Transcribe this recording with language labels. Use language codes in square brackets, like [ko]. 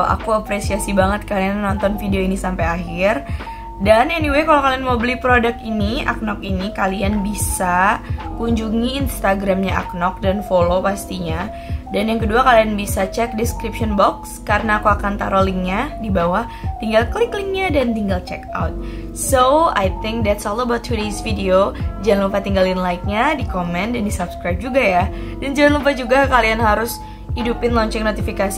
[id] Aku apresiasi banget kalian nonton video ini sampai akhir. Dan anyway, kalau kalian mau beli produk ini, Aknok ini, kalian bisa kunjungi Instagramnya Aknok dan follow pastinya. Dan yang kedua, kalian bisa cek description box karena aku akan taruh linknya di bawah. Tinggal klik linknya dan tinggal check out. [en] So, I think that's all about today's video. [id] Jangan lupa tinggalin like-nya, di komen, dan di subscribe juga ya. Dan jangan lupa juga kalian harus hidupin lonceng notifikasi kalau kalian nggak mau ketinggalan video-video terbaru aku setiap minggunya.